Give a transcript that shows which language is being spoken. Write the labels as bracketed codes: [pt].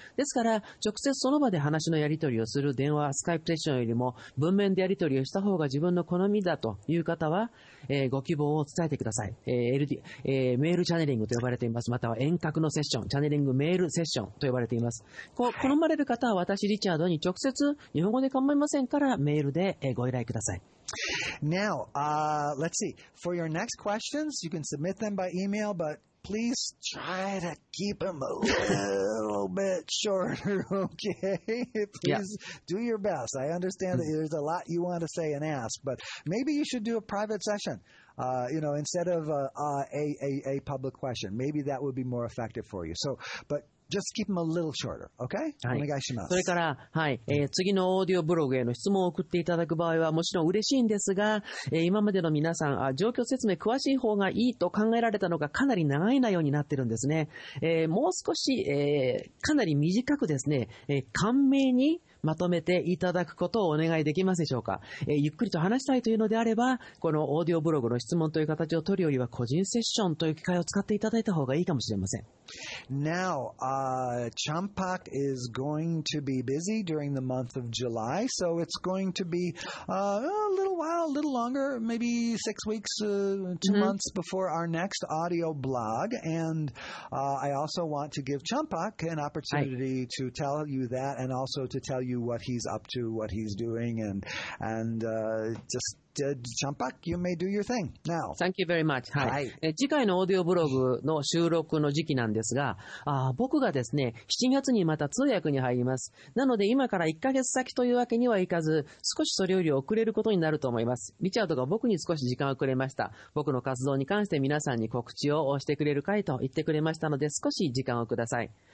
[ja] ですから、直接その場で話のやり取りをする電話、スカイプセッションよりも文面でやり取りをした方が自分の好みだという方は、ご希望を伝えてください。メールチャネリングと呼ばれています。または遠隔のセッション、チャネリングメールセッションと呼ばれています。好まれる方は私、リチャードに直接、日本語で構いませんから、メールでご依頼ください。 [en] Now, let's see. For your next questions, you can submit them by email, but please try to keep them a little bit shorter, okay? Please do your best. I understand that there's a lot you want to say and ask, but maybe you should do a private session. You know, instead of a public question, maybe that would be more effective for you. So, but just keep them a little shorter, okay? [ja] はい、お願いします。それから、はい、次のオーディオブログへの質問を送っていただく場合はもちろん嬉しいんですが、今までの皆さん、状況説明詳しい方がいいと考えられたのがかなり長い内容になってるんですね。もう少し、かなり短くですね、簡明にまとめていただくことをお願いできますでしょうか。ゆっくりと話したいというのであれば、このオーディオブログの質問という形を取るよりは個人セッションという機会を使っていただいた方がいいかもしれません。 [en] Now, Champak is going to be busy during the month of July, so it's going to be a little longer, maybe 6 weeks, two months before our next audio blog. And I also want to give Champak an opportunity to tell you that and also to tell you what he's up to, what he's doing, and just ジャンパック、you may do your thing now. Thank you very much. [ja] はい、はい。次回のオーディオブログの収録の時期なんですが、僕がですね、7月にまた通訳に入ります。なので今から1ヶ月先というわけにはいかず、少しそれより遅れることになると思います。リチャードが僕に少し時間をくれました。僕の活動に関して皆さんに告知をしてくれるかいと言ってくれましたので、少し時間をください。